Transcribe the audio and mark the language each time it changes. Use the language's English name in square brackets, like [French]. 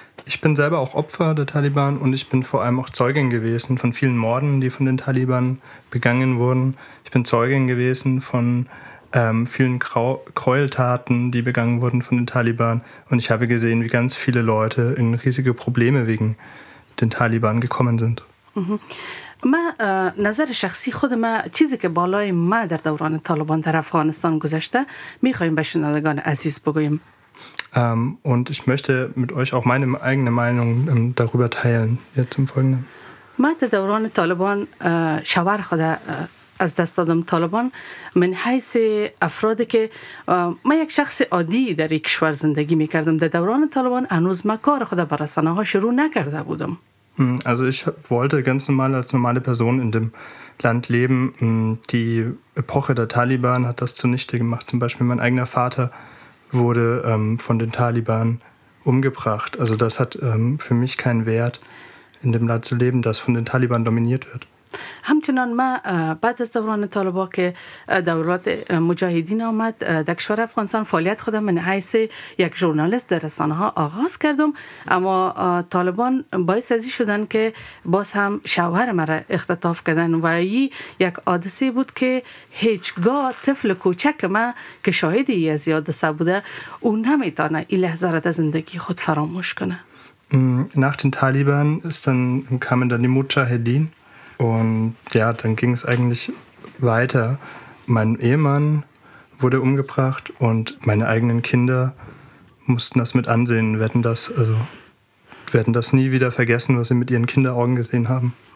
[German] Ich bin selber auch Opfer der Taliban und ich bin vor allem auch Zeugin gewesen von vielen Morden, die von den Taliban begangen wurden. Ich bin Zeugin gewesen von vielen Gräueltaten, die begangen wurden von den Taliban. Und ich habe gesehen, wie ganz viele Leute in riesige Probleme wegen den Taliban gekommen sind. [Persian] ما نظر شخصی خود ما چیزی که بالای ما در دوران طالبان در افغانستان گذشته میخواییم به شنوندگان عزیز بگویم. [German] Und ich möchte mit euch auch meine eigene Meinung darüber teilen. Jetzt im Folgenden. [Persian] ما در دوران طالبان شوهر خود از دست دادم طالبان من حیث افرادی که ما یک شخص عادی در یک کشور زندگی میکردم در دوران طالبان هنوز ما کار خود بر رسانه ها شروع نکرده بودم. [German] Also ich wollte ganz normal als normale Person in dem Land leben. Die Epoche der Taliban hat das zunichte gemacht. Zum Beispiel mein eigener Vater wurde von den Taliban umgebracht. Also das hat für mich keinen Wert, in dem Land zu leben, das von den Taliban dominiert wird. [Persian] همچنان ما بعد از دوران طالبا که دولت مجاهدین آمد در کشور افغانستان فعالیت خودم من حیث یک ژورنالیست در رسانه ها آغاز کردم اما طالبان باعث ازی شدن که باز هم شوهر مرا اختطاف کردن و ای یک حادثه بود که هیچگاه طفل کوچک ما که شاهدی از یاد سب بوده او نمیتانه این لحظه را در زندگی خود فراموش کنه. [German] Nach den Taliban kamen dann die Mujahedin. Und ja, dann ging es eigentlich weiter. Mein Ehemann wurde umgebracht und meine eigenen Kinder mussten das mit ansehen, werden das nie wieder vergessen, was sie mit ihren Kinderaugen gesehen haben.